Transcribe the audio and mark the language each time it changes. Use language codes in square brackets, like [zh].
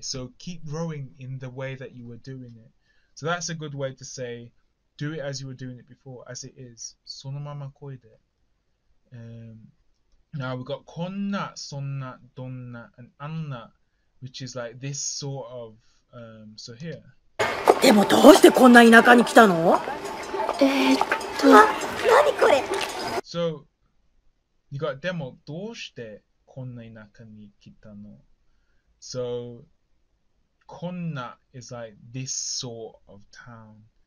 [en] So keep rowing in the way that you were doing it. So that's a good way to say, do it as you were doing it before, as it is. [ja] Sono mama koide. [en] Now we've got konna, sonna, donna, and anna, which is like this sort of, so here. [ja] でもどうしてこんな田舎に来たの? [en] So, you got demo. [ja] どうしてこんな田舎に来たの? [en] So, こんな is like this sort of town.